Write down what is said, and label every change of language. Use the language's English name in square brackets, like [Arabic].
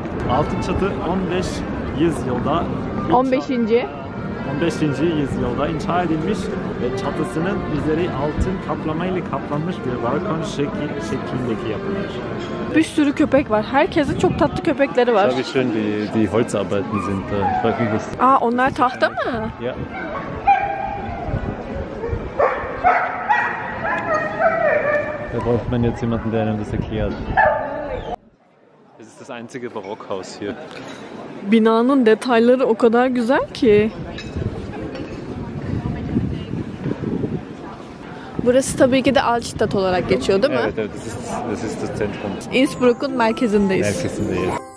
[Turkish] Altın Çatı 15 yüzyılda 15. 15. yüzyılda inşa edilmiş ve çatısının üzeri altın kaplamayla kaplanmış bir balkon şeklindeki yapılmış. Bir sürü köpek var. Herkesin çok tatlı köpekleri var. [German] Tabii schön die Holzarbeiten sind. [Turkish] Bakın bu. Aa, onlar tahta mı? Ya. [German] Da braucht man jetzt jemanden, der einem das erklärt. Es ist das einzige Barockhaus hier. [Turkish] Binanın detayları o kadar güzel ki. Burası tabii ki de Altstadt olarak geçiyor, değil mi? Evet, evet. [English] This is the Zentrum. [Turkish] Innsbruck'un merkezindeyiz. Merkezindeyiz.